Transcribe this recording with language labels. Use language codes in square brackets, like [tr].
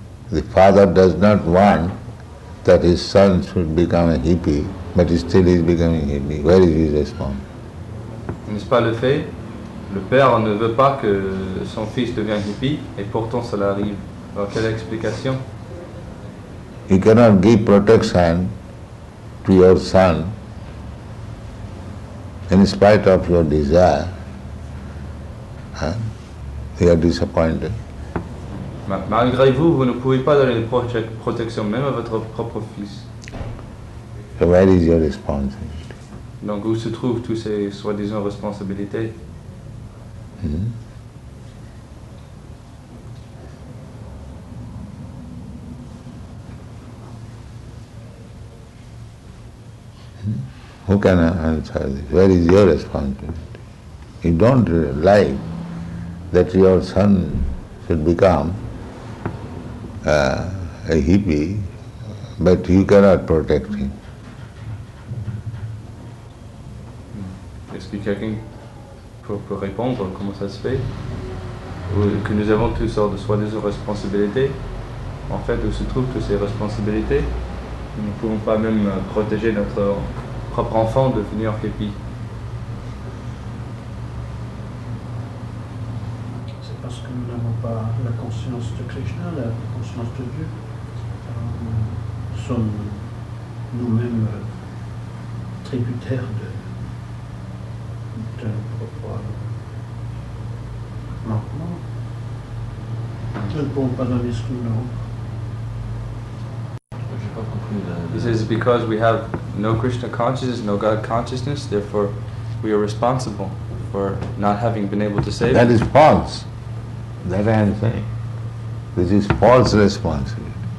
[en] The father does not want that his son should become a hippie, but he still is becoming a hippie. Where is his response? [fr] N'est-ce pas le fait? Le père ne veut pas que son fils devienne hippie, et pourtant cela arrive. Alors, quelle est l'explication? [en] He cannot give protection to your son in spite of your desire, you are disappointed. [fr] Malgré vous, vous ne pouvez pas donner de protection même à votre propre fils. [en] So where is your responsibility? [fr] Donc où se trouvent tous ces soi-disant responsabilités? [en] Who can answer this? Where is your responsibility? You don't like that your son should become a hippie, but you cannot protect him. [fr] Est-ce que quelqu'un peut répondre comment ça se fait? Que nous avons toutes sortes de soi-disant responsabilités. En fait, où se trouvent toutes ces responsabilités? Nous ne pouvons pas même protéger notre propre enfant de devenir hippie. C'est parce que nous n'avons pas la conscience de Krishna, la conscience de Dieu. Nous sommes nous-mêmes tributaires de nos propres manquements. Nous ne pouvons pas donner ce que nous avons. [en] He says, because we have no Krishna consciousness, no God consciousness, therefore we are responsible for not having been able to save. That is false. That I am saying. This is false responsibility.